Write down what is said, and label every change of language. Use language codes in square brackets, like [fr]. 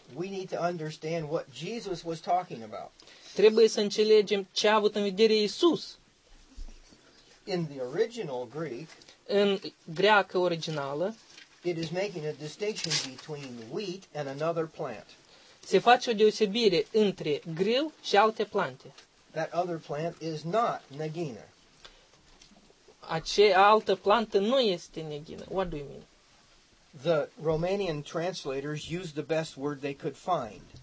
[en] We need to understand what Jesus was talking about. [ro] Trebuie să înțelegem ce a avut în vedere Iisus. [en] In the original Greek, [ro] în greacă originală, [en] it is making a distinction between wheat and another plant. [ro] Se face o deosebire între grâu și alte plante. [en] That other plant is not neghină. [ro] Acea altă plantă nu este neghină. [en] What do you mean? The Romanian translators used the best word they could find.